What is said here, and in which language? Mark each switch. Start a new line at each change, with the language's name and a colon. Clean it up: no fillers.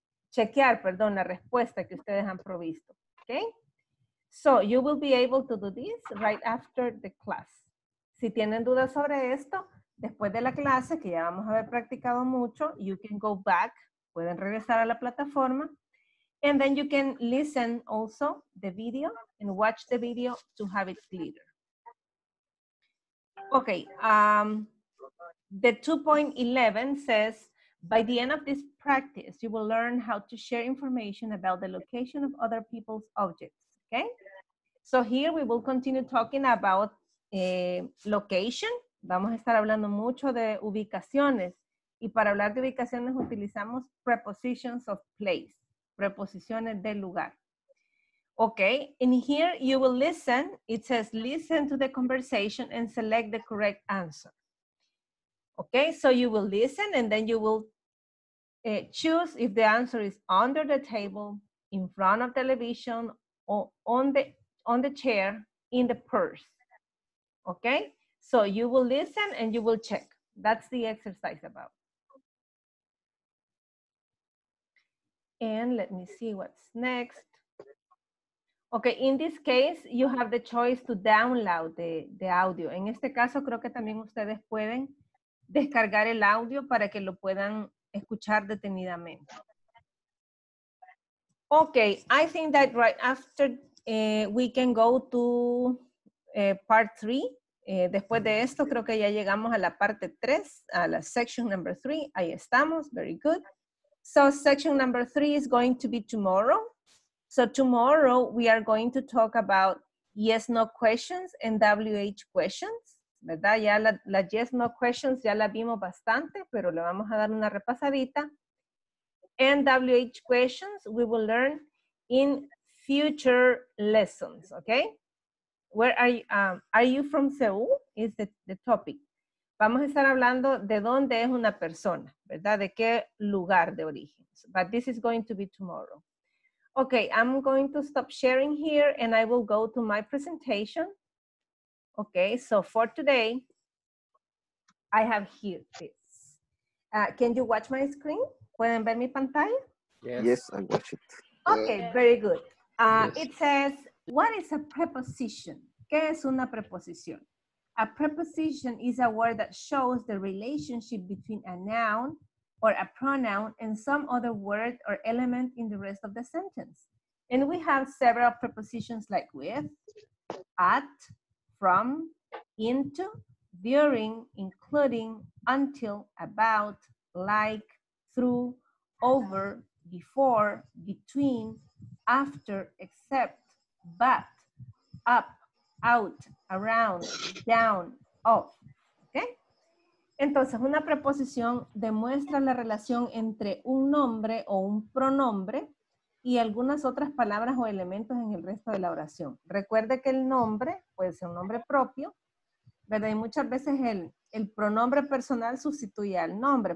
Spanish: Chequear la respuesta que ustedes han provisto, ¿ok?
English: So, you will be able to do this right after the class.
Spanish: Si tienen dudas sobre esto, después de la clase, que ya vamos a haber practicado mucho,
English: you can go back,
Spanish: pueden regresar a la plataforma,
English: and then you can listen also the video and watch the video to have it clear. Okay, the 2.11 says, by the end of this practice, you will learn how to share information about the location of other people's objects. Okay, so here we will continue talking about location.
Spanish: Vamos a estar hablando mucho de ubicaciones Y para hablar de ubicaciones utilizamos
English: prepositions of place,
Spanish: preposiciones de lugar.
English: Okay, in here you will listen. It says listen to the conversation and select the correct answer. Okay, so you will listen and then you will choose if the answer is under the table, in front of television, or on the chair, in the purse. Okay, so you will listen and you will check. That's the exercise about. And let me see what's next. Okay, in this case, you have the choice to download the audio.
Spanish: En este caso, creo que también ustedes pueden descargar el audio para que lo puedan escuchar detenidamente.
English: Okay, I think that right after we can go to part three.
Spanish: Después de esto, creo que ya llegamos a la parte 3, a la
English: section number 3.
Spanish: Ahí estamos.
English: Very good. So section number 3 is going to be tomorrow. So tomorrow we are going to talk about yes, no questions and WH questions.
Spanish: ¿Verdad? Ya la yes, no questions ya la vimos bastante, pero le vamos a dar una repasadita.
English: And WH questions we will learn in future lessons, okay? Where are you from Seoul? Is the topic.
Spanish: Vamos a estar hablando de dónde es una persona, ¿verdad? De qué lugar de origen.
English: But this is going to be tomorrow. Okay, I'm going to stop sharing here and I will go to my presentation. Okay, so for today, I have here this. Can you watch my screen?
Spanish: ¿Pueden ver mi pantalla?
English: Yes, I watch it. Okay, very good. Yes. It says, what is a preposition?
Spanish: ¿Qué es una preposición?
English: A preposition is a word that shows the relationship between a noun or a pronoun and some other word or element in the rest of the sentence. And we have several prepositions like with, at, from, into, during, including, until, about, like, through, over, before, between, after, except, but, up, out, around, down, off. Okay?
Spanish: Entonces, una preposición demuestra la relación entre un nombre o un pronombre y algunas otras palabras o elementos en el resto de la oración. Recuerde que el nombre puede ser un nombre propio, ¿verdad? Y muchas veces el pronombre personal sustituye al nombre.